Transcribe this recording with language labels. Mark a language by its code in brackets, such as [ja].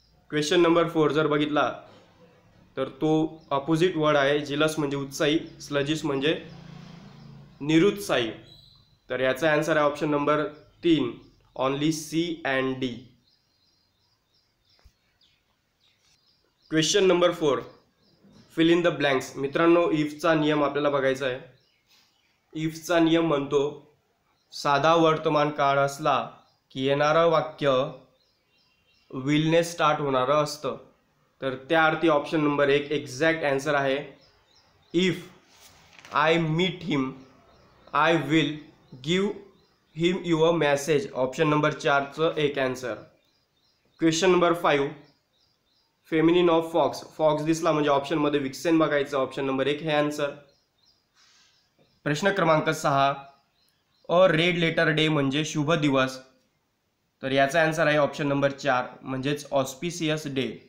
[mr] Question number 4 जर बघितला तर तो अपोजिट वर्ड आहे, जिलस म्हणजे उत्साही, स्लजिस म्हणजे निरुत्साही। तर याचा आन्सर आहे option number 3, only C and D. [en] Question number 4, fill in the blanks. [mr] मित्रांनो, इफचा नियम आपल्याला बघायचा आहे। इफचा नियम म्हणतो, साधा वर्तमान काळ असला की येणारं वाक्य विलने स्टार्ट होणारं असतं। तर त्या अर्थी ऑप्शन नंबर 1 एक्झॅक्ट आन्सर आहे। [en] if I meet him I will give him your message, [mr] option number 4 एक answer. Question number 5, [en] feminine of fox, [mr] fox दिसला म्हणजे ऑप्शनमध्ये विक्सेन बघायचं, ऑप्शन नंबर 1 हे आन्सर। प्रश्न क्रमांक 6, अ रेड लेटर डे म्हणजे शुभ दिवस, तर याचा आन्सर आहे ऑप्शन नंबर 4, म्हणजेच ऑस्पिशियस डे।